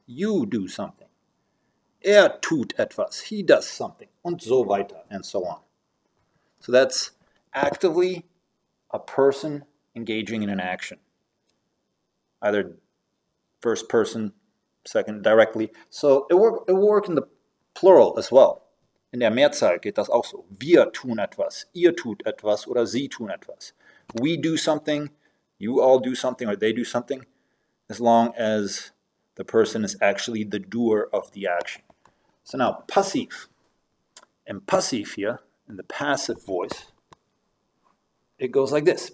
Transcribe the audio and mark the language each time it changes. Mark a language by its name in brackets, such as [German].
[English] You do something. [German] Tut etwas. [English] He does something. [German] Und so weiter. [English] And so on. So that's actively a person engaging in an action. Either first person, second, directly. So it work in the plural as well. [German] In der Mehrzahl geht das auch so. Wir tun etwas, ihr tut etwas oder sie tun etwas. [English] We do something, you all do something, or they do something, as long as the person is actually the doer of the action. So now, passiv. And passiv here, in the passive voice, it goes like this.